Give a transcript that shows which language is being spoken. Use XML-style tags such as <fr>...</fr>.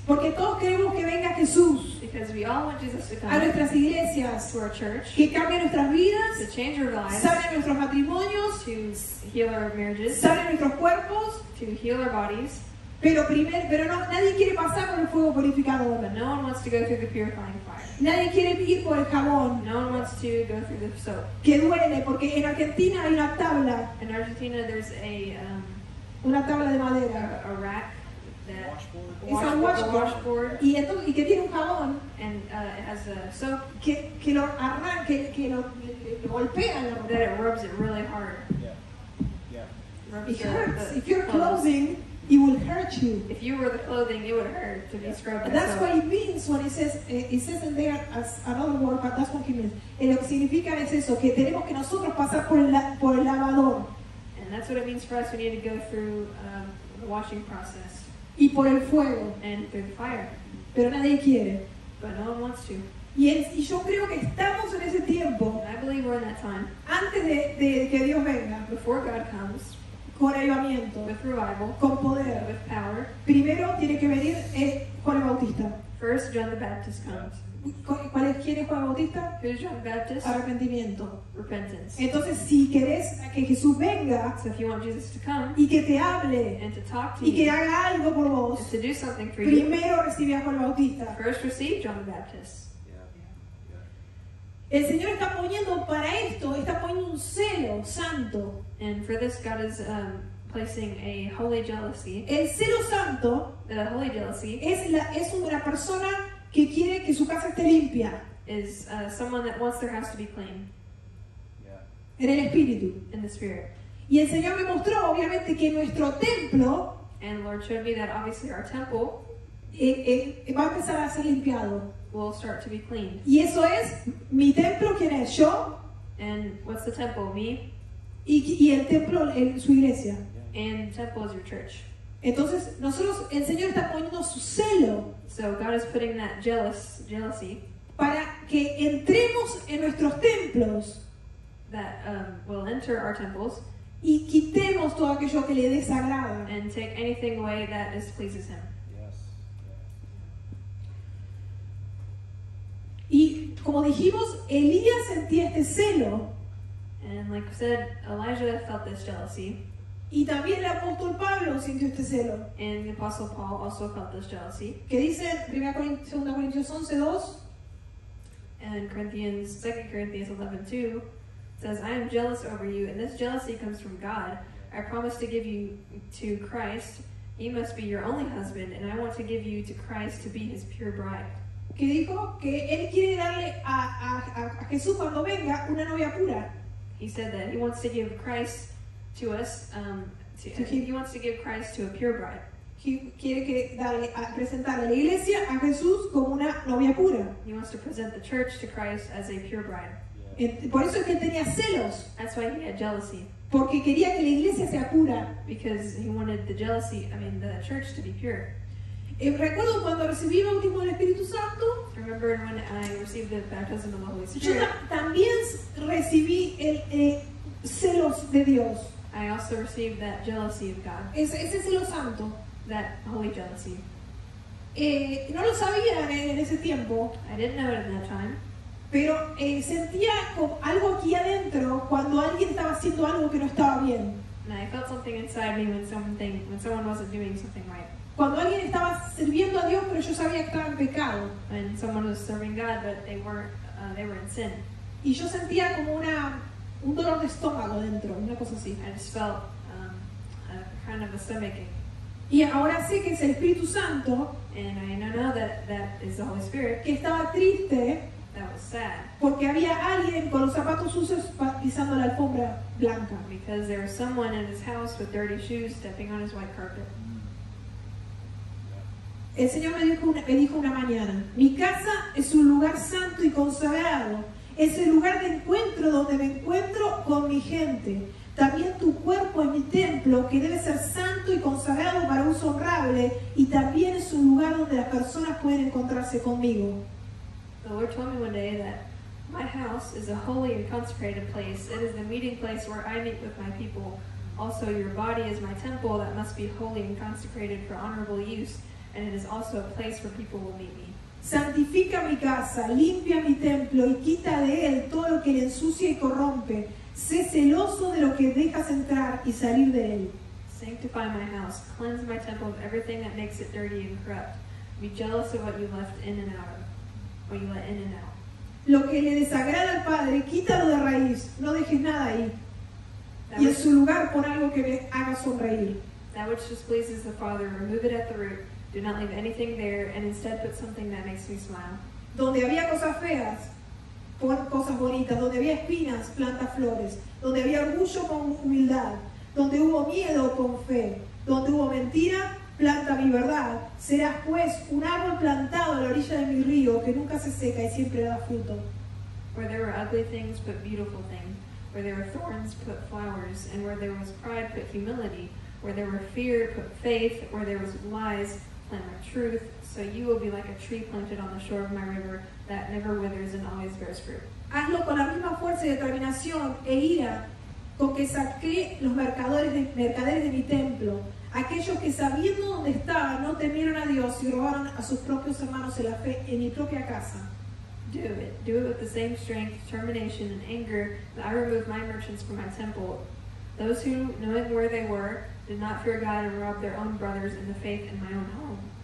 <es>Porque todos queremos que venga Jesús.</es> <en>Because we all want Jesus to come.</en> <es>A nuestras iglesias.</es> <en>To our church.</en> <es>Que cambie nuestras vidas.</es> <en>To change our lives.</en> <es>Sane nuestros matrimonios.</es> <en>To heal our marriages.</en> <es>Sane nuestros cuerpos.</es> <en>To heal our bodies.</en> <es>Pero primero, pero no, nadie quiere pasar por el fuego purificador.</es> <en>But no one wants to go through the purifying fire.</en> <es>Nadie quiere ir por el jabón.</es> <en>No one wants to go through the soap.</en> <es>Que duele, porque en Argentina hay una tabla.</es> <en>In Argentina there's a</en> <es>una tabla de madera.</es> <en>A rack. It's a washboard.</en> <es>Y esto, y que tiene un jabón.</es> <en>And it has a soap.</en> <es>Que lo arranca, que lo golpea.</es> <en>That it rubs it really hard. Yeah. Yeah. It hurts. If you're clothing, it will hurt you. If you were the clothing, it would hurt to be scrubbed. And that's what it means when it says in there as another word, but that's what it means.</en> <es>And lo que significa es eso, que tenemos que nosotros pasar por el lavador.</es> <en>And that's what it means for us. We need to go through the washing process.</en> <es>Y por el fuego.</es> <en>And through the fire.</en> <es>Pero nadie quiere.</es> <en>But no one wants to.</en> <es>Y, es, y yo creo que estamos en ese tiempo.</es> <en>And I believe we're in that time.</en> <es>Antes de que Dios venga.</es> <en>Before God comes.</en> <es>Con avivamiento.</es> <en>With revival.</en> <es>Con poder.</es> <en>With power.</en> <es>Primero tiene que venir Juan el Bautista.</es> <en>First John the Baptist comes.</en> <es>¿Cuál es, quién es Juan Bautista?</es> <en>Who's John the Baptist?</en> <es>Arrepentimiento.</es> <en>Repentance.</en> <es>Entonces, si querés que Jesús venga,</es> <en>so if you want Jesus to come,</en> <es>y que te hable,</es> <en>and to talk to</en> <es>y</es> <en>you,</en> <es>que haga algo por vos,</es> <en>to do something for</en> <es>primero</es> <en>you,</en> <es>recibe a Juan Bautista.</es> <en>First receive John the Baptist.</en> <es>El Señor está poniendo para esto, está poniendo un celo santo.</es> <en>And for this God is placing a holy jealousy.</en> <es>El celo santo,</es> <en>the holy jealousy,</en> <es>es la es una persona que quiere que su casa esté limpia.</es> <en>Is someone that wants their house to be clean.</en> <es>Yeah. En el espíritu.</es> <en>In the spirit.</en> <es>Y el Señor me mostró obviamente que nuestro templo,</es> <en>and the Lord showed me that obviously our temple,</en> <es>va a empezar a ser limpiado.</es> <en>Will start to be cleaned.</en> <es>Y eso es mi templo, ¿quién es? Yo.</es> <en>And what's the temple? Me.</en> <es>Y el templo es su iglesia.</es> <en>And the temple is your church.</en> <es>Entonces nosotros, el Señor está poniendo su celo.</es> <en>So God is putting that jealousy.</en> <es>Para que entremos en nuestros templos.</es> <en>That will enter our temples.</en> <es>Y quitemos todo aquello que le desagrada.</es> <en>And take anything away that displeases him.</en> <es>Y como dijimos, Elías sentía este celo.</es> <en>And like we said, Elijah felt this jealousy.</en> <es>Y también el apóstol Pablo sintió este celo.</es> <en>And the apostle Paul also felt this jealousy.</en> <es>¿Qué dice 2 Corintios 11:2?</es> <en>And Corinthians 2 Corinthians 11:2 says, I am jealous over you, and this jealousy comes from God. I promise to give you to Christ. He must be your only husband, and I want to give you to Christ to be his pure bride.</en> <es>Que dijo que él quiere darle a Jesús cuando venga una novia pura.</es> <en>He said that he wants to give Christ to us, he wants to give Christ to a pure bride.</en> <es>He quiere que darle a presentar a la iglesia a Jesús como una novia pura.</es> <en>He wants to present the church to Christ as a pure bride.</en> <es>Yeah. Por eso es que tenía celos.</es> <en>That's why he had jealousy.</en> <es>Porque quería que la iglesia sea pura.</es> <en>Because he wanted the church to be pure.</en> <es>Recuerdo cuando recibí el bautismo del Espíritu Santo.</es> <en>Remember when I received the baptism of the Holy Spirit.</en> <es>Yo también recibí el celos de Dios.</es> <en>I also received that jealousy of God.</en> <es>Ese celo santo.</es> <en>That holy jealousy.</en> <es>No lo sabía en ese tiempo.</es> <en>I didn't know it at that time.</en> <es>Pero sentía algo aquí adentro cuando alguien estaba haciendo algo que no estaba bien.</es> <en>And I felt something inside me when someone wasn't doing something right.</en> <es>Cuando alguien estaba sirviendo a Dios, pero yo sabía que estaba en pecado.</es> <en>And someone was serving God, but they were in sin.</en> <es>Y yo sentía como un dolor de estómago dentro, una cosa así.</es> <en>I just felt a kind of a stomach ache.</en> <es>Y ahora sé que es el Espíritu Santo.</es> <en>And I know now that that is the Holy Spirit.</en> <es>Que estaba triste.</es> <en>That was sad.</en> <es>Porque había alguien con los zapatos sucios pisando la alfombra blanca.</es> <en>Because there was someone in his house with dirty shoes stepping on his white carpet.</en> <es>El Señor me dijo una mañana, mi casa es un lugar santo y consagrado, es el lugar de encuentro donde me encuentro con mi gente. También tu cuerpo es mi templo que debe ser santo y consagrado para uso honorable, y también es un lugar donde las personas pueden encontrarse conmigo.</es> <en>The Lord told me one day that my house is a holy and consecrated place. It is the meeting place where I meet with my people. Also, your body is my temple that must be holy and consecrated for honorable use. And it is also a place where people will meet me.</en> <es>Santifica mi casa, limpia mi templo y quita de él todo lo que le ensucia y corrompe. Sé celoso de lo que dejas entrar y salir de él.</es> <en>Sanctify my house, cleanse my temple of everything that makes it dirty and corrupt. Be jealous of what you left in and out, what you let in and out.</en> <es>Lo que le desagrada al Padre, quítalo de raíz, no dejes nada ahí. Y en su lugar pon algo que me haga sonreír.</es> <en>That which displeases the Father, remove it at the root. Do not leave anything there, and instead put something that makes me smile.</en> <es>Donde había cosas feas, pon cosas bonitas. Donde había espinas, planta flores. Donde había orgullo, pon humildad. Donde hubo miedo, pon fe. Donde hubo mentira, planta mi verdad. Serás pues un árbol plantado a la orilla de mi río que nunca se seca y siempre da fruto.</es> <en>Where there were ugly things, put beautiful things. Where there were thorns, put flowers. And where there was pride, put humility. Where there were fear, put faith. Where there was lies, plant my truth. So you will be like a tree planted on the shore of my river that never withers and always bears fruit.</en> <es>Hazlo con la misma fuerza y determinación e ira con que saqué los mercaderes de mi templo, aquellos que sabiendo dónde estaba no temieron a Dios y robaron a sus propios hermanos en la fe en mi propia casa.</es> <en>Do it with the same strength, determination, and anger that I removed my merchants from my temple. Those who, knowing where they were, did not fear God and robbed their own brothers in the faith in my own home.</en>